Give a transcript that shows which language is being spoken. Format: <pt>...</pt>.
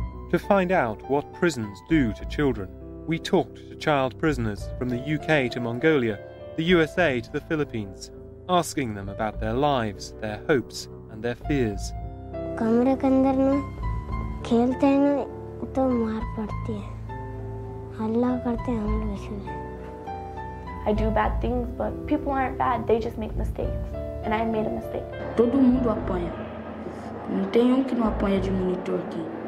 <en>to find out what prisons do to children, we talked to child prisoners from the UK to Mongolia, the USA to the Philippines, asking them about their lives, their hopes, and their fears.</en> <hi>कमरे के अंदर ना खेलते हैं ना तो मार पड़ती है हल्ला करते हैं हम लोग इसलिए.</hi> <en>I do bad things, but people aren't bad. They just make mistakes, and I made a mistake.</en> <pt>Todo mundo apanha. Não tem que não apanha de monitor aqui.</pt>